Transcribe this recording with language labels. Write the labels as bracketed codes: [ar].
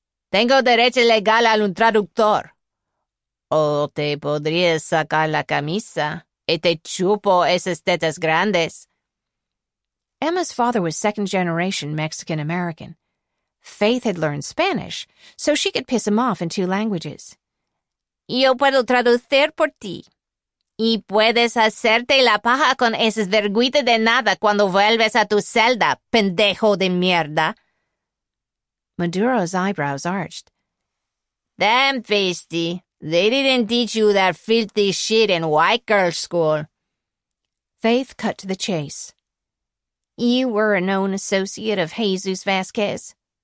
[es] "Tengo derecho legal a un traductor. O te podrías sacar la camisa y te chupo esas tetas grandes." [en] Emma's father was second-generation Mexican-American, Faith had learned Spanish, so she could piss him off in two languages. [es] Yo puedo traducir por ti. Y puedes hacerte la paja con ese vergüenza de nada cuando vuelves a tu celda, pendejo de mierda. [en] Maduro's eyebrows arched. Damn, Feisty. They didn't teach you that filthy shit in white girl school. Faith cut to the chase. You were a known associate of Jesus Vasquez.